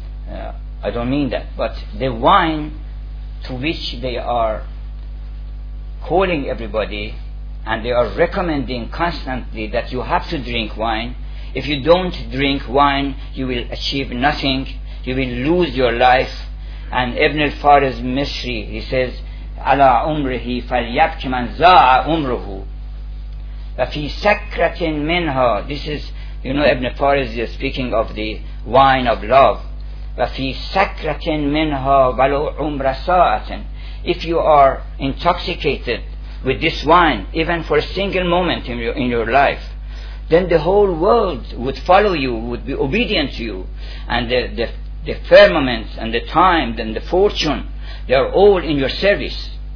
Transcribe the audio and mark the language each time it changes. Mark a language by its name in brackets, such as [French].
[English] I don't mean that. But the wine to which they are calling everybody, and they are recommending constantly that you have to drink wine. If you don't drink wine, you will achieve nothing. You will lose your life. And Ibn al-Faris Misri, he says, [Arabic] عَلَىٰ عُمْرِهِ فَلْيَبْكِ مَنْ زَاعَ عُمْرُهُ وَفِي سَكْرَةٍ مِنْهَا. [English] This is, you know, Ibn al-Faris is speaking of the wine of love. [Arabic] وَفِي سَكْرَةٍ مِنْهَا وَلُوْ عُمْرَ سَاعَةٍ. [English] If you are intoxicated with this wine, even for a single moment in your life, then the whole world would follow you, would be obedient to you, and the firmament and the time and the fortune, they are all in your service.